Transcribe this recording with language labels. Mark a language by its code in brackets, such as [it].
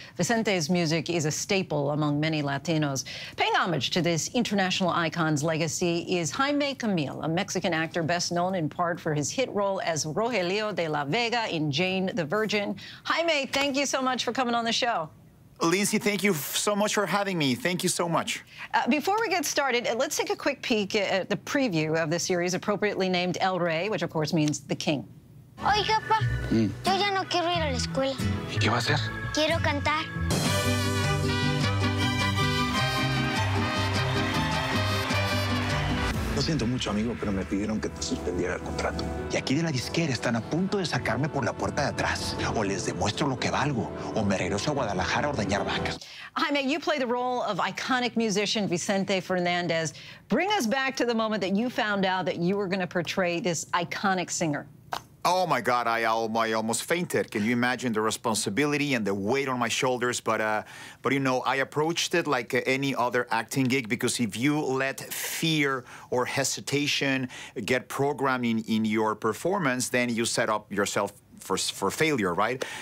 [en] Vicente's music is a staple among many Latinos. Paying homage to this international icon's legacy is Jaime Camil, a Mexican actor best known in part for his hit role as Rogelio de la Vega in Jane the Virgin. Jaime, thank you so much for coming on the show. Lizzie, thank you so much for having me. Thank you so much. Before we get started, let's take a quick peek at the preview of the series, appropriately named El Rey, which of course means the king. [es] Oiga, pa. Yo ya no quiero ir a la escuela. ¿Y qué va a hacer? Quiero cantar. Lo siento mucho, amigo, pero me pidieron que te suspendiera el contrato. Y aquí de la disquera están a punto de sacarme por la puerta de atrás. O les demuestro lo que valgo, o me regreso a Guadalajara a ordeñar vacas. [en] Jaime, you play the role of iconic musician Vicente Fernandez. Bring us back to the moment that you found out that you were going to portray this iconic singer. Oh, my God, I almost fainted. Can you imagine the responsibility and the weight on my shoulders? But you know, I approached it like any other acting gig, because if you let fear or hesitation get programmed in your performance, then you set up yourself for failure, right?